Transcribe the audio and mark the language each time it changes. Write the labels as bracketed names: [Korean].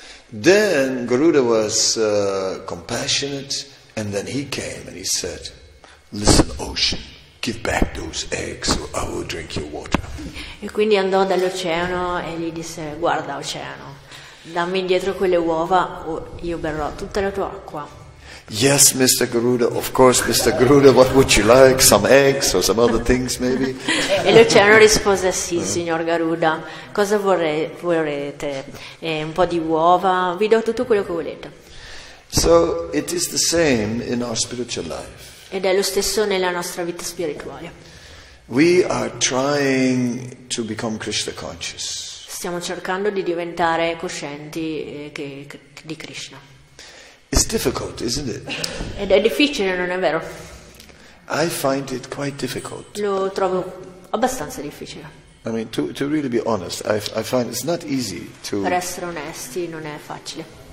[English] Then Garuda was compassionate, and then he came and he said, "Listen, ocean, give back those eggs, or I will drink your water." [Italian] E quindi andò dall'oceano e gli disse, "Guarda, oceano, dammi indietro quelle uova, o io berrò tutta la tua acqua." [English] Yes, Mr. Garuda, of course, Mr. Garuda, what would you like? Some eggs or some other things, maybe? [Italian] E l'oceano rispose, sì, signor Garuda, cosa vorrete? Un po' di uova, vi do tutto quello che volete. [English] So, it is the same in our spiritual life. [Italian] Ed è lo stesso nella nostra vita spirituale. [English] We are trying to become Krishna conscious. [Italian] Stiamo cercando di diventare coscienti di Krishna. [English] It's difficult, isn't it? [Italian] Ed è difficile, non è vero? [English] I find it quite difficult. [Italian] Lo trovo abbastanza difficile. [English] I mean, to really be honest, I find it's not easy to. [Italian] Per essere onesti, non è facile.